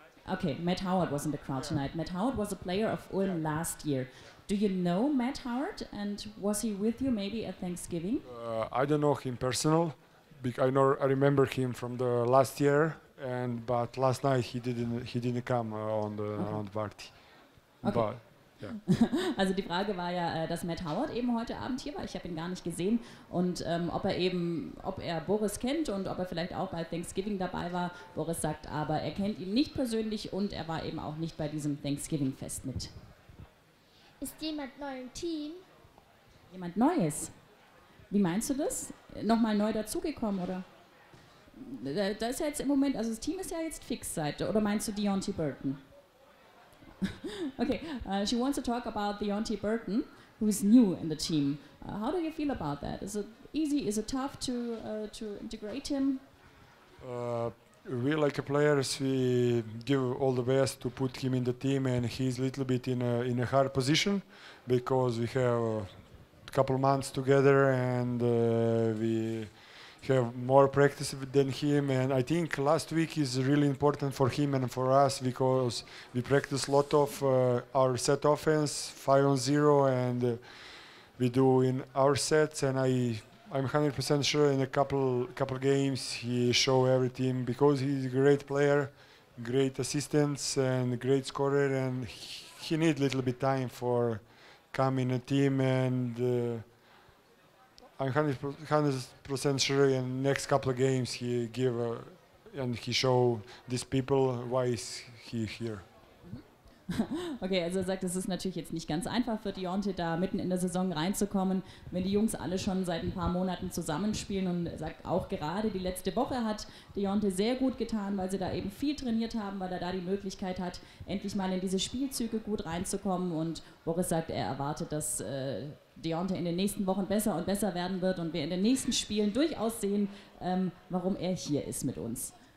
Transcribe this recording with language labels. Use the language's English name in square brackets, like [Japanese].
[English] Okay, Matt Howard was in the crowd tonight. Matt Howard was a player of Ulm last year. Do you know Matt Howard and was he with you maybe at Thanksgiving? I don't know him personal. I remember him from the last year, but last night he didn't come on the party. Okay. But, yeah. [German] Also die Frage war ja, dass Matt Howard eben heute Abend hier war. Ich habe ihn gar nicht gesehen und ob er Boris kennt und ob er vielleicht auch bei Thanksgiving dabei war. Boris sagt aber, er kennt ihn nicht persönlich und er war eben auch nicht bei diesem Thanksgiving-Fest mit. Ist jemand neu im Team? Jemand Neues? Wie meinst du das? Nochmal neu dazugekommen, oder? Da ist ja jetzt im Moment, also das Team ist ja jetzt fix seit, oder meinst du Deontay Burton? [English] Okay, she wants to talk about Deontay Burton, who is new in the team. How do you feel about that? Is it easy, is it tough to integrate him? We like a player, we give all the best to put him in the team and he's a little bit in a hard position because we have couple months together and we have more practice than him and I think last week is really important for him and for us because we practice a lot of our set offense 5-on-0 and we do in our sets and I'm 100% sure in a couple games he show everything because he's a great player, great assistants and great scorer and he need a little bit time for come in a team and I'm 100% sure in next couple of games he give and he show these people why is he here. [German] Okay, also er sagt, es ist natürlich jetzt nicht ganz einfach für Deontay da mitten in der Saison reinzukommen, wenn die Jungs alle schon seit ein paar Monaten zusammenspielen und er sagt, auch gerade die letzte Woche hat Deontay sehr gut getan, weil sie da eben viel trainiert haben, weil er da die Möglichkeit hat, endlich mal in diese Spielzüge gut reinzukommen und Boris sagt, er erwartet, dass Deontay in den nächsten Wochen besser und besser werden wird und wir in den nächsten Spielen durchaus sehen, warum er hier ist mit uns.